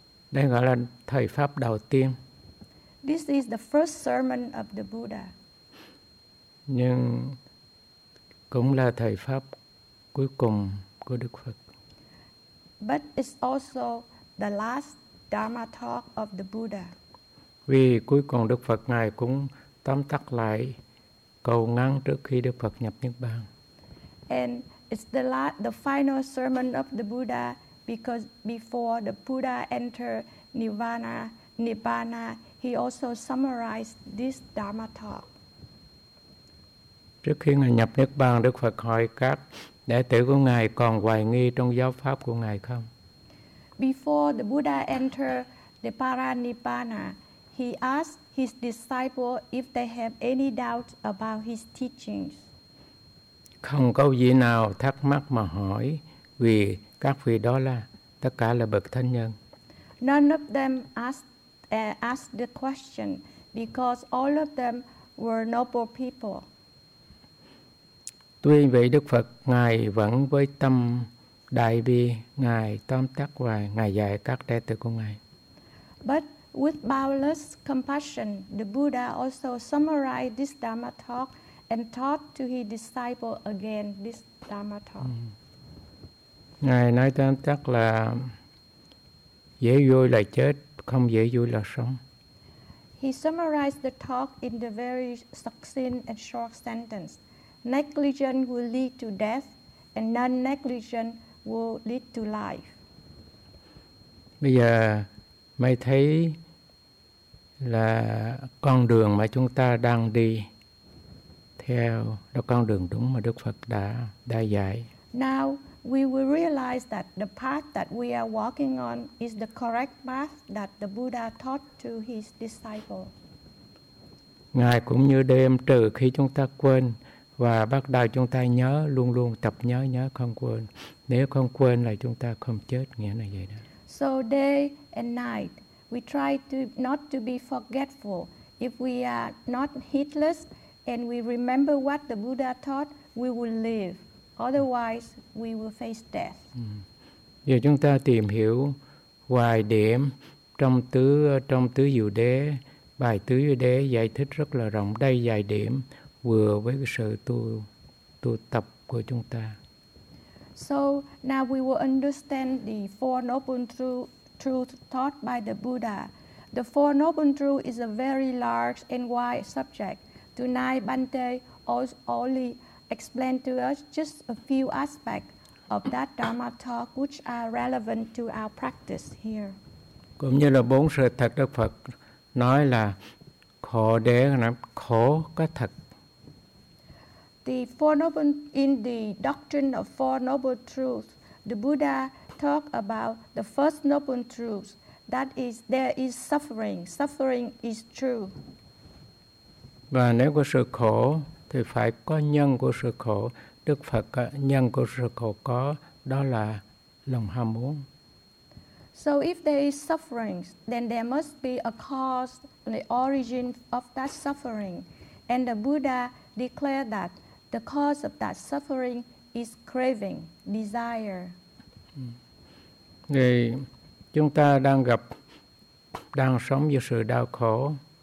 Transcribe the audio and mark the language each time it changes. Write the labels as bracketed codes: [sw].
[vi] Đây gọi là thời pháp đầu tiên. [en] This is the first sermon of the Buddha. [vi] Nhưng cũng là thời pháp cuối cùng của Đức Phật. [en] But it's also the last Dharma talk of the Buddha. [vi] Vì cuối cùng Đức Phật ngài cũng tóm tắt lại cầu ngắn trước khi Đức Phật nhập Niết bàn. [en] And it's the final sermon of the Buddha because before the Buddha entered Nirvana, he also summarized this Dharma talk. [vi] Trước khi ngài nhập Niết bàn, Đức Phật hỏi các đệ tử của ngài còn hoài nghi trong giáo pháp của ngài không? [en] Before the Buddha entered the Paranibbana, he asked his disciples if they have any doubts about his teachings. [vi] Không có gì nào thắc mắc mà hỏi vì các vị đó là tất cả là bậc thánh nhân. [en] None of them asked the question because all of them were noble people. [vi] Tuy vậy Đức Phật ngài vẫn với tâm đại bi, ngài tóm tắt và ngài dạy các đệ tử của ngài. [en] But with boundless compassion, the Buddha also summarized this Dharma talk and taught to his disciple again this Dharma talk. [vi] Ngài nói tóm tắt là dễ vui là chết, không dễ vui là sống. [en] He summarized the talk in the very succinct and short sentence. Negligence will lead to death and non-negligence will lead to life. [vi] Bây giờ mới thấy là con đường mà chúng ta đang đi theo con đường đúng mà Đức Phật đã dạy. [en] Now we will realize that the path that we are walking on is the correct path that the Buddha taught to his disciple. [vi] Ngày cũng như đêm, trừ khi chúng ta quên và bắt đầu chúng ta nhớ, luôn luôn tập nhớ, nhớ không quên. Nếu không quên là chúng ta không chết, nghĩa là vậy đó. [en] So day and night, we try to not to be forgetful. If we are not heedless and we remember what the Buddha taught, we will live. Otherwise, we will face death. [vi] Giờ chúng ta tìm hiểu vài điểm trong tứ diệu đế. Bài tứ diệu đế giải thích rất là rộng, đây vài điểm vừa với cái sự tu tập của chúng ta. [en] So now we will understand the Four Noble Truths taught by the Buddha. The Four Noble Truths is a very large and wide subject. Tonight, Bhante only explained to us just a few aspects of that Dharma talk which are relevant to our practice here. [vi] Cũng như là bốn sự thật Đức Phật nói là khổ đế, khổ có thật. [en] The Four Noble, in the doctrine of Four Noble Truths, the Buddha talked about the first noble truth, that is, there is suffering. Suffering is true. [vi] Và nếu có sự khổ, thì phải có nhân của sự khổ. Đức Phật nhân của sự khổ có, đó là lòng ham muốn. [en] So if there is suffering, then there must be a cause, the origin of that suffering. And the Buddha declared that the cause of that suffering is craving, desire. [vi] Thì chúng ta đang sống với sự đau khổ.